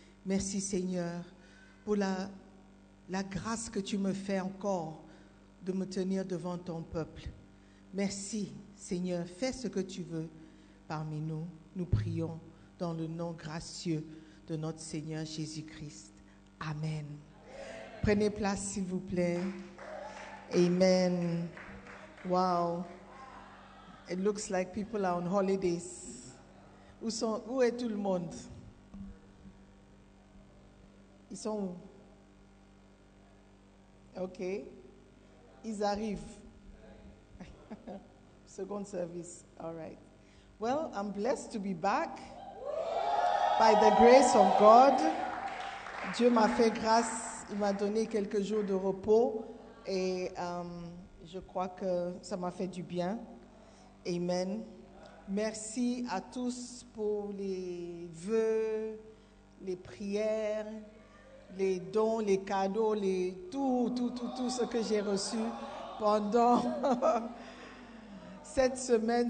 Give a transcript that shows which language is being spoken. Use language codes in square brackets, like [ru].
[fr] Merci Seigneur pour la grâce que tu me fais encore de me tenir devant ton peuple. Merci Seigneur, fais ce que tu veux parmi nous. Nous prions dans le nom gracieux de notre Seigneur Jésus-Christ. Amen. Prenez place s'il vous plaît. Amen. Wow. [en] It looks like people are on holidays. [fr] Où est tout le monde? Ils sont où? OK. Ils arrivent. [en] Second service. All right. Well, I'm blessed to be back by the grace of God. [fr] Dieu m'a fait grâce. Il m'a donné quelques jours de repos. Et je crois que ça m'a fait du bien. Amen. Merci à tous pour les vœux, les prières, les dons, les cadeaux, les tout ce que j'ai reçu pendant cette semaine.